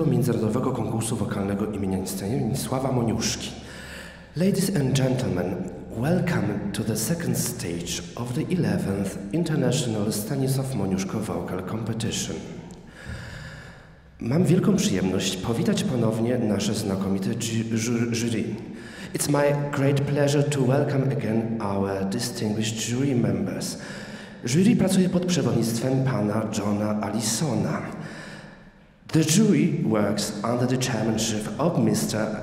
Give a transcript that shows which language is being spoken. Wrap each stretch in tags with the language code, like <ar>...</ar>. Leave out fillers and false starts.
<pl>Międzynarodowego Konkursu Wokalnego imienia Stanisława Moniuszki.</pl> <en>Ladies and gentlemen, welcome to the second stage of the 11th International Stanisław Moniuszko Vocal Competition.</en> <pl>Mam wielką przyjemność powitać ponownie nasze znakomite jury.</pl> <en>It's my great pleasure to welcome again our distinguished jury members.</en> <pl>Jury pracuje pod przewodnictwem pana Johna Allisona.</pl> <en>The jury works under the chairmanship of Mr.</en>